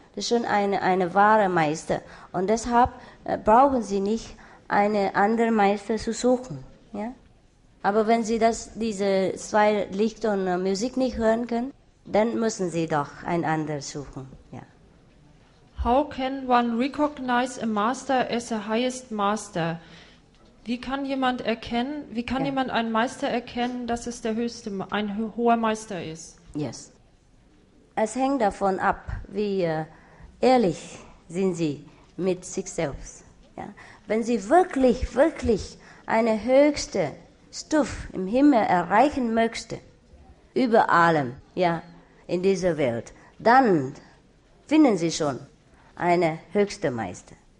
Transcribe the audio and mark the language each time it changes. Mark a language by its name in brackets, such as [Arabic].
[German] Das ist schon eine wahre Meister. Und deshalb brauchen Sie nicht einen anderen Meister zu suchen, ja? Aber wenn Sie diese zwei Licht und Musik nicht hören können, dann müssen Sie doch einen anderen suchen, ja? [English] How can one recognize a master as a highest master? [German] Wie kann jemand einen Meister erkennen, dass es der höchste, ein hoher Meister ist? [English] Yes. [German] Es hängt davon ab, wie ehrlich sind Sie mit sich selbst. Ja? Wenn Sie wirklich, wirklich eine höchste Stufe im Himmel erreichen möchten, über allem, ja, in dieser Welt, dann finden Sie schon eine höchste Meister.